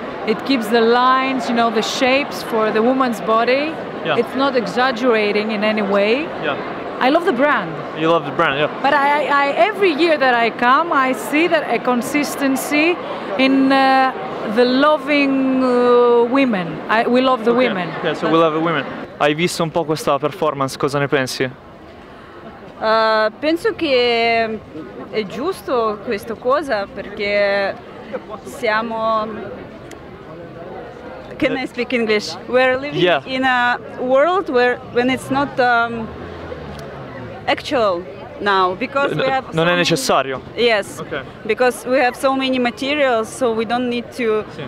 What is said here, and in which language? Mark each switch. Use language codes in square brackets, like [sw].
[en] It keeps the lines, you know, the shapes for the woman's body. Yeah. It's not exaggerating in any way. Yeah. I love the brand. You love the brand, yeah. But I every year that I come, I see that a consistency in the loving women. We love the women. Yeah, okay, so we love the women. [it] Hai visto un po' questa performance, cosa ne pensi? Penso che è giusto questa cosa perché siamo. [en] Can I speak English? We're living in a world where when it's not actual now because we have. [it] Non è necessario. [en] Yes. Okay. Because we have so many materials, so we don't need to.